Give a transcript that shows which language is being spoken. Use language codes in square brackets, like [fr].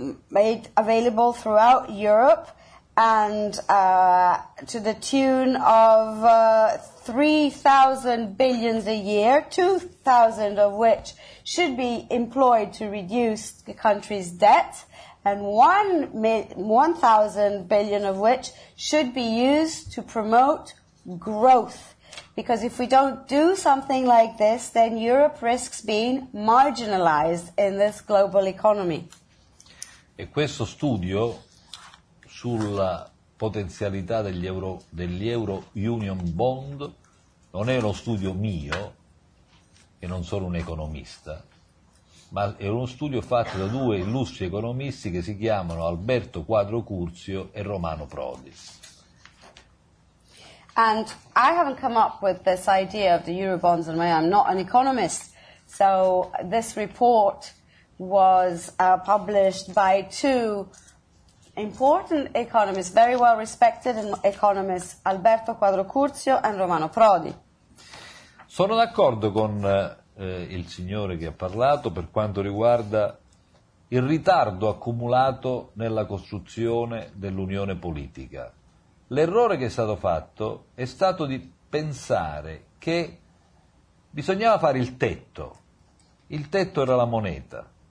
[en] made available throughout Europe, and to the tune of 3,000 billions a year, 2,000 of which should be employed to reduce the country's debt, and 1,000 billion of which should be used to promote growth. Because if we don't do something like this, then Europe risks being marginalized in this global economy. [it] E questo studio sulla potenzialità degli Euro Union Bond non è uno studio mio, e non sono un economista, ma è uno studio fatto da due illustri economisti che si chiamano Alberto Quadro Curzio e Romano Prodi. [en] And I haven't come up with this idea of the Eurobonds on my own. I'm not an economist, so this report was published by two important economists, very well respected economists, Alberto Quadro Curzio and Romano Prodi. [it] Sono d'accordo con il signore che ha parlato per quanto riguarda il ritardo accumulato nella costruzione dell'unione politica. L'errore che è stato fatto è stato di pensare che bisognava fare il tetto era la moneta.